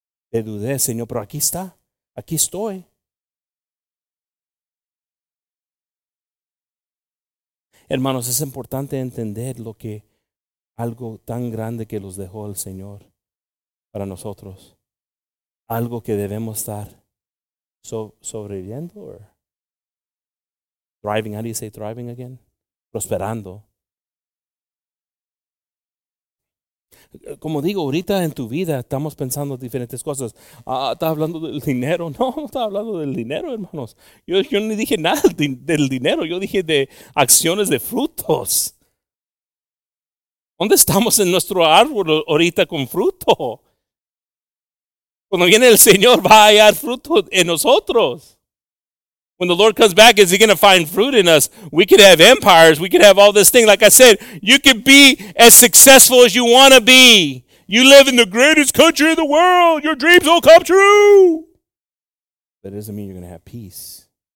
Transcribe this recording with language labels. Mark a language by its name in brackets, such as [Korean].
[Spanish] Te dudé, Señor, pero aquí está, aquí estoy. Hermanos, es importante entender lo que algo tan grande que los dejó el Señor para nosotros. Algo que debemos estar sobreviviendo. [English] Or thriving, how do you say thriving again? [Spanish] Prosperando. Como digo, ahorita en tu vida estamos pensando diferentes cosas. ¿Estás hablando del dinero? No, no estaba hablando del dinero, hermanos. Yo ni dije nada del dinero. Yo dije de acciones de frutos. ¿Dónde estamos en nuestro árbol ahorita con fruto? Cuando viene el Señor, va a hallar fruto en nosotros. [English] When the Lord comes back, is he going to find fruit in us? We could have empires. We could have all this thing. Like I said, you could be as successful as you want to be. You live in the greatest country in the world. Your dreams will come true. But it doesn't mean you're going to have peace.